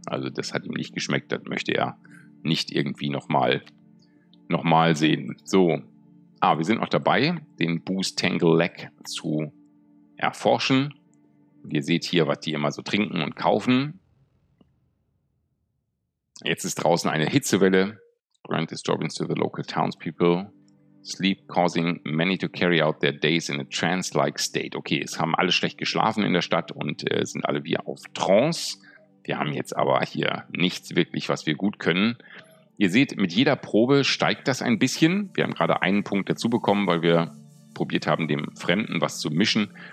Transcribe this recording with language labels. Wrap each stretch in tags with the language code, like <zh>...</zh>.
<de>Also das hat ihm nicht geschmeckt, das möchte er nicht irgendwie nochmal sehen. So, wir sind noch dabei, den Boost Tangle Lack zu erforschen. Ihr seht hier, was die immer so trinken und kaufen. Jetzt ist draußen eine Hitzewelle.</de> <en>Grand disturbance to the local townspeople. Sleep causing many to carry out their days in a trance-like state.</en> <de>Okay, es haben alle schlecht geschlafen in der Stadt und sind alle wie auf Trance. Wir haben jetzt aber hier nichts wirklich, was wir gut können. Ihr seht, mit jeder Probe steigt das ein bisschen. Wir haben gerade einen Punkt dazu bekommen, weil wir probiert haben, dem Fremden was zu mischen.</de>